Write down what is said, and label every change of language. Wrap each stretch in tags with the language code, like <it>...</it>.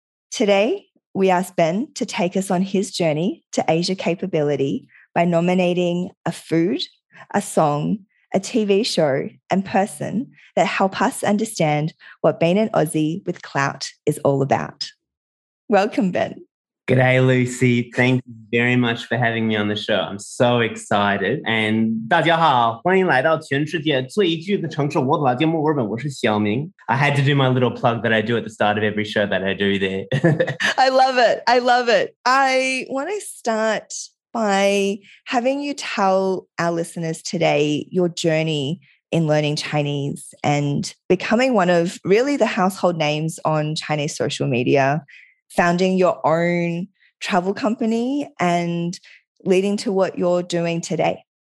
<en>Today, we ask Ben to take us on his journey to Asia capability by nominating a food, a song, a TV show, and person that help us understand what being an Aussie with clout is all about. Welcome, Ben. G'day, Lucy. Thank you very much for having me on the show. I'm so excited.</en> <zh>And 大家好, 欢迎来到全世界最具的城市我的老家墨尔本。我是小明.</zh> <en>I had to do my little plug that I do at the start of every show that I do there. I love it. I want to start by having you tell our listeners today your journey in learning Chinese and becoming one of really the household names on Chinese social media, founding your own travel company and leading to what you're doing today.</en>